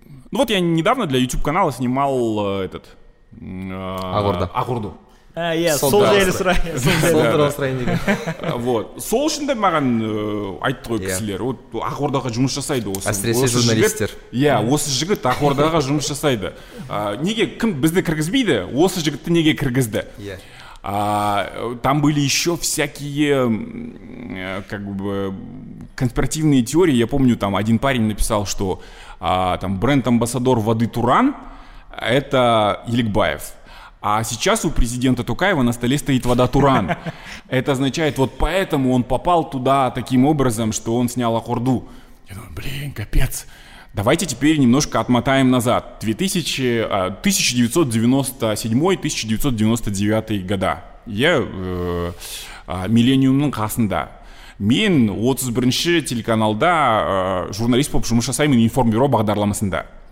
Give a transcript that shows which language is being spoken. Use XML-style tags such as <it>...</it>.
<ru>Ну вот я недавно для YouTube-канала снимал этот... Агурда. Агурду.</ru> <kk>Сол үшінде маған айтты ғой кісілер, ақордаға жұмыс жасайды осы. Әсіресе журналистер. Иә, осы жігіт ақордаға жұмыс жасайды. Неге кім бізді кіргізбейді, осы жігітті неге кіргізді?</kk> <ru>Там были еще всякие как бы конспиративные теории. Я помню, там один парень написал, что там бренд-амбассадор воды Туран — это Еликбаев. А сейчас у президента Токаева на столе стоит вода Туран. Это означает, вот поэтому он попал туда таким образом, что он снял Ахорду. Я думаю, блин, капец. Давайте теперь немножко отмотаем назад. 1997-1999 года.</ru> <kk>Я миллениумның қасында. Мен 31-ші телеканалда журналист болып жұмыс жасаймын информбюро бағдарламасында.</kk>